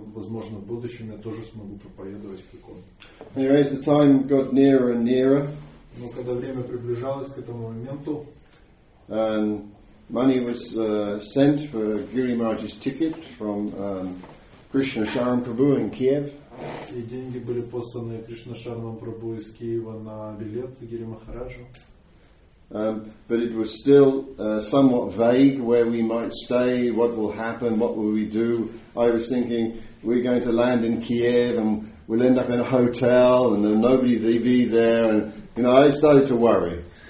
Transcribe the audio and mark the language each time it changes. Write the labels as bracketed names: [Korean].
[Russian] Возможно, в будущем я тоже смогу проповедовать как он. [English] Anyway, as the time got nearer and nearer, [Russian] но когда время приближалось к этому моменту, [English] and money was sent for Giri Maharaj's ticket from Krishna Sharan Prabhu in Kiev. [Russian] И деньги были посланы Кришна Шарман Прабху из Киева на билет Гири Махараджу. [English] But it was still somewhat vague where we might stay, what will happen, what will we do. I was thinking we're going to land in Kiev and we'll end up in a hotel and then nobody will be there, and you know, I started to worry.